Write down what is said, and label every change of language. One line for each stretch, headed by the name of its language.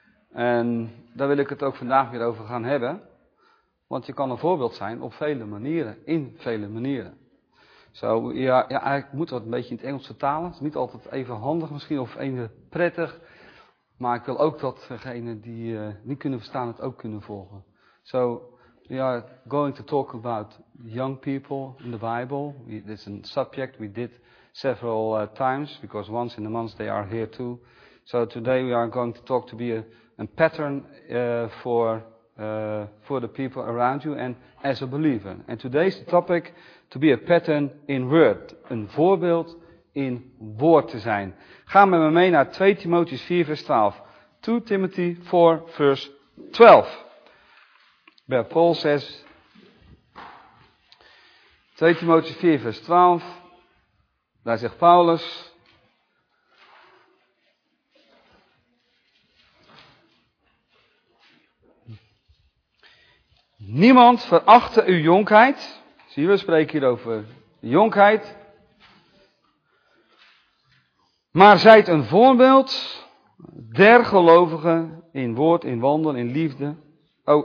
Dutch: En daar wil ik het ook vandaag weer over gaan hebben. Want je kan een voorbeeld zijn op vele manieren, in vele manieren. Zo, ja, eigenlijk moet dat een beetje in het Engels vertalen. Het is niet altijd even handig misschien of even prettig. Maar ik wil ook dat degenen die niet kunnen verstaan het ook kunnen volgen. Zo.
English: We are going to talk about young people in the Bible. It's a subject we did several times, because once in a month they are here too. So today we are going to talk to be a pattern for the people around you and as a believer. And today's the topic, to be a pattern in word.
Dutch: Een voorbeeld in woord te zijn. Ga met me mee naar 2 Timotheus 4 vers 12.
English: 2 Timothy 4 vers 12. Where Paul says,
Dutch: 2 Timotheus 4 vers 12, daar zegt Paulus, niemand verachte uw jonkheid, zie je, we spreken hier over jonkheid, maar zijt een voorbeeld der gelovigen in woord, in wandel, in liefde, ook.